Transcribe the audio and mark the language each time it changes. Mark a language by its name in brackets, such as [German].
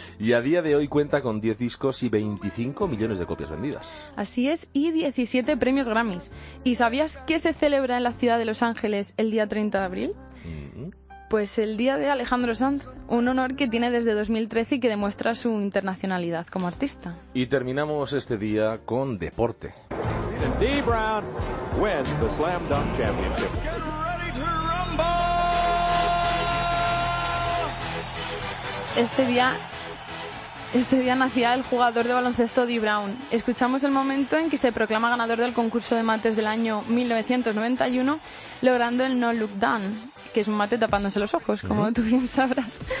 [Spanish] Y a día de hoy cuenta con 10 discos y 25 millones de copias vendidas. Así es, y 17 premios Grammys. ¿Y sabías qué se celebra en la ciudad de Los Ángeles el día 30 de abril? Pues el día de Alejandro Sanz, un honor que tiene desde 2013 y que demuestra su internacionalidad como artista. Y terminamos este día con deporte. [English] Dee Brown wins the Slam Dunk Championship. [Spanish] Este día nacía el jugador de baloncesto Dee Brown. Escuchamos el momento en que se proclama ganador del concurso de mates del año 1991, logrando el No Look Down, que es un mate tapándose los ojos, como tú bien sabrás.